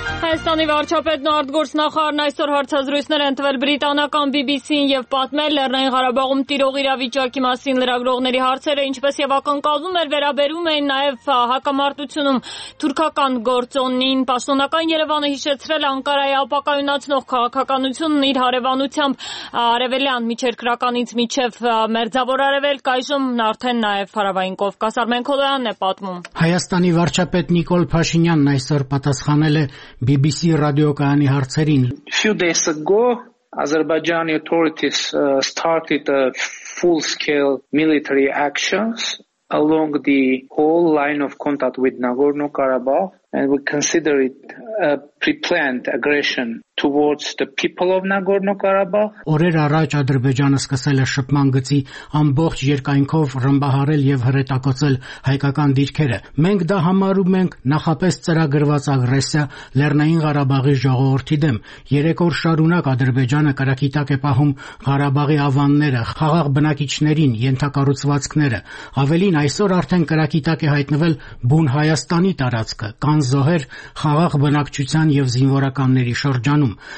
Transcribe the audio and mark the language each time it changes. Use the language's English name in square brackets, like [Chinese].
[Armenian] Հայաստանի վարչապետն ու արտգործնախարարն այսօր հարցազրույցներ են տվել բրիտանական BBC-ին և պատմել Լեռնային Ղարաբաղում տիրող իրավիճակի մասին լրագրողների հարցերը, ինչպես և ակնկալվում էր, վերաբերում էին նաև հակամարտությունում թուրքական գործոնին։ Պաշտոնական Երևանը հիշեցրել Անկարայի ապակայունացնող քաղաքականությունն իր հարևանությամբ արևելյան միջերկրականից մինչև մերձավոր արևելք, այժմ արդեն նաև հարավային Կովկաս։ Արմեն Քոլոյանն է պատմում։ Հայաստանի վարչապետ Նիկոլ Փաշինյանն այսօր պատասխանել է BBC ռադիոկայանի հարցերին. [English] Few days ago, Azerbaijani authorities started a full-scale military actions along the whole line of contact with Nagorno-Karabakh, and we consider it a pre-planned aggression towards the people of Nagorno-Karabakh. [Armenian] Օրեր առաջ Ադրբեջանը սկսել է շփման գծի ամբողջ երկայնքով ռմբահարել եւ հրետակոծել հայկական դիրքերը։ Մենք դա համարում ենք նախապես ծրագրված ագրեսիա Լեռնային Ղարաբաղի ժողովրդի դեմ։ 3 օր շարունակ Ադրբեջանը կրակի տակ է պահում Ղարաբաղի ավանները, խաղաղ բնակիչներին, ենթակառուցվածքները։ Ավելին, այսօր արդեն կրակի տակ է հայտնվել Բուն Հայաստանի տարածքը, կան զոհեր խաղաղ բնակչության եւ զինվորականների շրջանում։